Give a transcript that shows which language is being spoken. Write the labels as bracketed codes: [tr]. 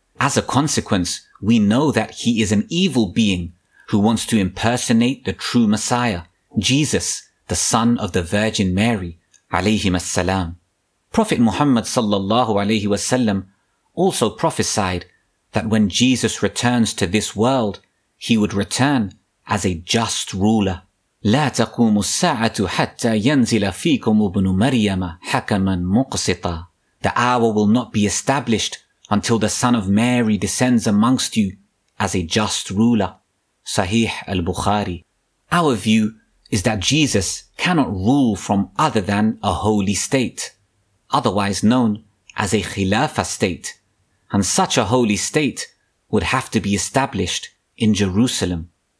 [en] As a consequence, we know that he is an evil being who wants to impersonate the true Messiah, Jesus, the son of the Virgin Mary alayhim as-salam. Prophet Muhammad sallallahu alayhi wasallam also prophesied that when Jesus returns to this world, he would return as a just ruler. [ar] لا تقوم الساعة حتى ينزل فيكم ابن مريم حكما مقسطا. [en] The hour will not be established until the Son of Mary descends amongst you as a just ruler. Sahih al-Bukhari. Our view is that Jesus cannot rule from other than a holy state, otherwise known as a Khilafah state, and such a holy state would have to be established in Jerusalem.